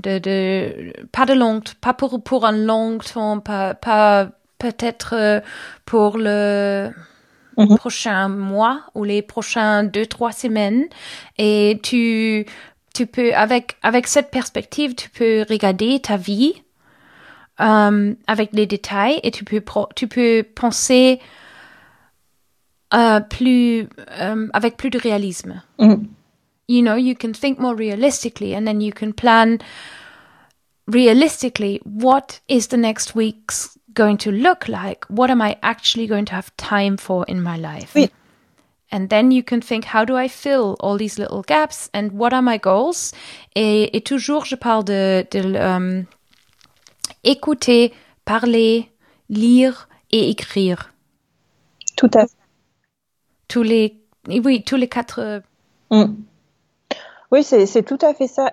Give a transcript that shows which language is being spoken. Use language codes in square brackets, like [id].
[fr] Pas pour un long temps, pas peut-être pour le prochain mois ou les prochains 2-3 semaines. Et tu peux, avec cette perspective, tu peux regarder ta vie avec les détails et tu peux penser avec plus de réalisme. [en] You know, you can think more realistically and then you can plan realistically what is the next week's going to look like? What am I actually going to have time for in my life? [fr] Oui. [en] And then you can think, how do I fill all these little gaps and what are my goals? [fr] Et toujours, je parle de écouter, parler, lire et écrire. Tout à fait. Tous les quatre... Oui, c'est tout à fait ça.